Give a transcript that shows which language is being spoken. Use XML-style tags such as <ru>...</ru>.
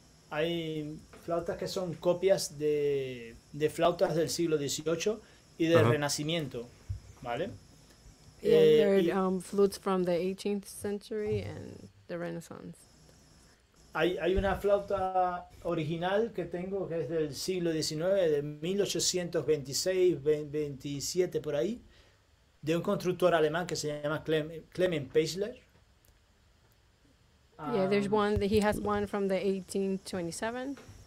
<es>Hay flautas que son copias de flautas del siglo XVIII y del Renacimiento, ¿vale?</es> <en>Yeah, there are flutes from the 18th century and the Renaissance.</en> <es>Hay una flauta original que tengo que es del siglo XIX, de 1826-27 por ahí, de un constructor alemán que se llama Clement Peisler.</es> <en>Yeah, there's one. He has one from the 1827.</en>